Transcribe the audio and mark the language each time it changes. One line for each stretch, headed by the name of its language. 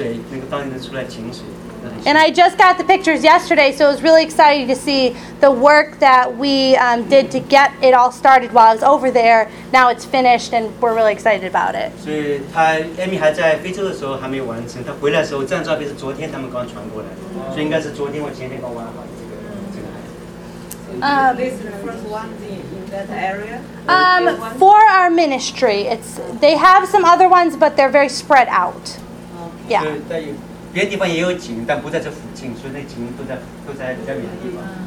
English: And I just got the pictures yesterday, so it was really exciting to see the work that we did to get it all started while I was over there. Now it's finished, and we're really excited about it.
Chinese: So, Amy 还在非洲的时候还没有完成，她回来的时候，这张照片是昨天他们刚传过来的，所以应该是昨天或前天刚挖好的
English: This is the first one in that area. For our ministry, they have some other ones, but they're very spread out. Okay. Yeah.
Chinese: 别的地方也有井，但不在这附近，所以那井都在比较远的地方。